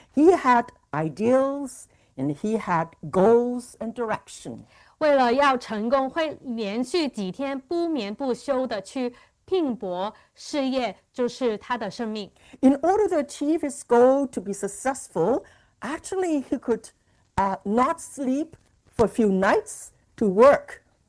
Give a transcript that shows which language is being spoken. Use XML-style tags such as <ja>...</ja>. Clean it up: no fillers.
<en>He had ideals and he had goals and direction.</en> <zh>为了要成功，会连续几天不眠不休地去拼搏，事业就是他的生命。</zh> <en>In order to achieve his goal to be successful, actually he could not sleep for a few nights to work.</en>